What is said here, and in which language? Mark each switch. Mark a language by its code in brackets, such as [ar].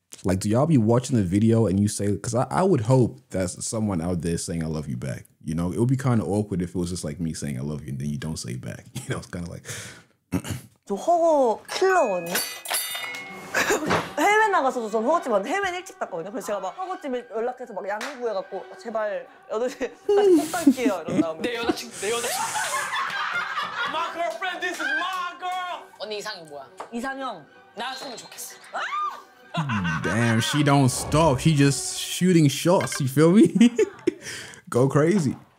[en] Like, do y'all be watching the video and you say, because I would hope that's someone out there saying I love you back. You know, it would be kind of awkward if it was just like me saying I love you and then you don't say it back. You know, it's kind of like. [ko] 저 허거 킬러 언니. 해외 나가서도 전 허거 집 왔는데 해외 일찍 갔거든요. 그래서 제가 막 허거 집에 연락해서 막 양해 구해갖고 제발 8시 다시 꼭 갈게요 이런 다음에. 내 여자친구 내 여자친구. [en] My girlfriend, this is my girl. [ko] 언니 이상형 뭐야? 이상형 나왔으면 좋겠어. [en] Damn, she don't stop. She just shooting shots. You feel me? Go crazy.